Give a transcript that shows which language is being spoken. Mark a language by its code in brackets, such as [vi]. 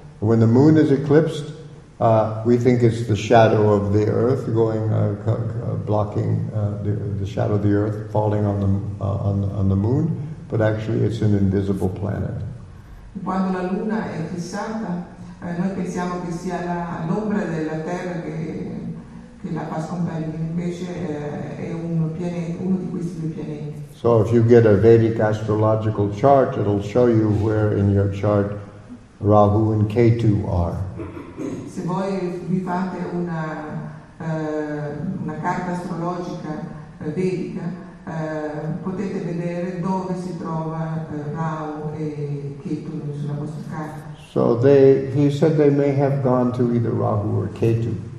[en] When the moon is eclipsed, we think it's the shadow of the Earth going blocking the shadow of the Earth falling on the moon, but actually it's an invisible planet. [it] Quando la luna è fissata, noi pensiamo che sia l'ombra della Terra che la fa scomparire. Invece è un pianeta, uno di questi due pianeti. [en] So if you get a Vedic astrological chart, it'll show you where in your chart Rahu and Ketu are. [it] Se voi vi fate una carta astrologica vedica, potete vedere dove si trova Rahu e Ketu sulla vostra carta. [en] So he said they may have gone to either Rahu or Ketu.